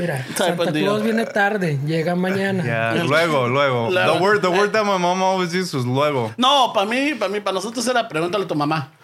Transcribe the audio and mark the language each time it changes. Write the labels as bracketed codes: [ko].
[es] Mira, type Santa Claus viene tarde, llega mañana. [en] Yeah, luego. The word that my mom always used was luego. [es] No, para mí, para nosotros era pregúntale a tu mamá.